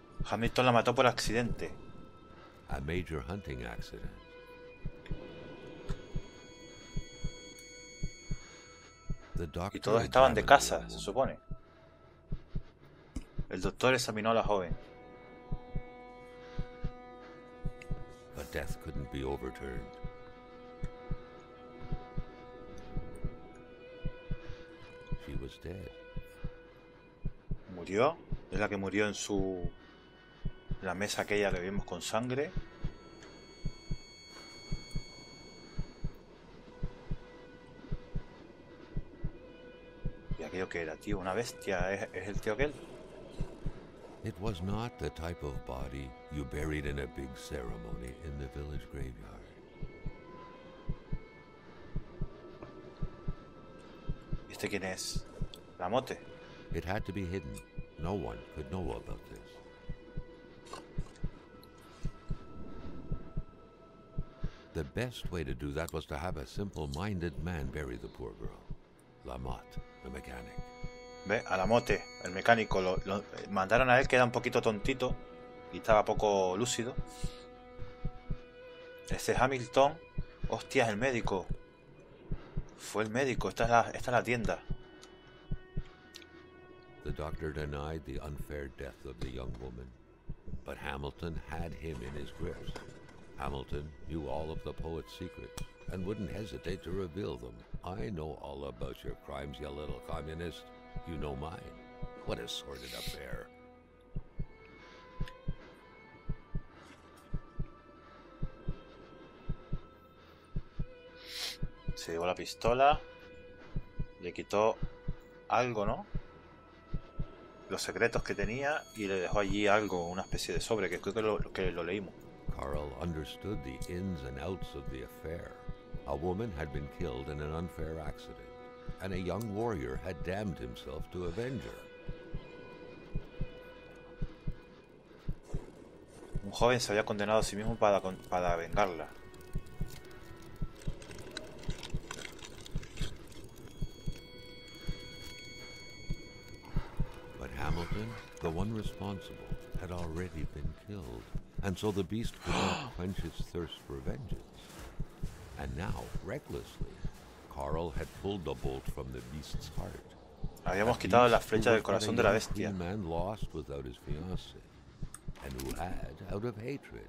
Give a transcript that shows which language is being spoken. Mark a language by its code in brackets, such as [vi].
[es] Hamilton la mató por accidente. [en] A major hunting accident. The doctor [es] y todos estaban de casa, se supone. El doctor examinó a la joven. [en] But death couldn't be overturned. She was dead. [es] Murió. Es la que murió en su... La mesa aquella que vimos con sangre. ¿Y aquello que era, tío? ¿Una bestia? ¿Es el tío aquel? [en] It was not the type of body you buried in a big ceremony in the village graveyard. [es] ¿Este quién es? La Motte. [en] It had to be hidden. No one could know about this. The best way to do that was to have a simple-minded man bury the poor girl. Lamotte, the mechanic. [es] Ve, a Lamotte, el mecánico, lo mandaron a él, que era un poquito tontito y estaba poco lúcido. Ese Hamilton, hostia, el médico. Fue el médico, esta es la tienda. [en] The doctor denied the unfair death of the young woman, but Hamilton had him in his grips. Hamilton knew all of the poet's secrets and wouldn't hesitate to reveal them. I know all about your crimes, you little communist. You know mine. What a sordid affair. [es] Se llevó la pistola. Le quitó algo, ¿no? Los secretos que tenía y le dejó allí algo, una especie de sobre, que creo que lo leímos. [en] Carl understood the ins and outs of the affair. A woman had been killed in an unfair accident, and a young warrior had damned himself to avenge her. [es] Un joven se había condenado a sí mismo para vengarla. [en] But Hamilton, the one responsible, had already been killed. And so the beast could not quench his thirst for vengeance. And now, recklessly, Carl had pulled the bolt from the beast's heart. [es] Habíamos quitado la flecha del corazón de la bestia. [en] A man lost without his fiance, and who had, out of hatred,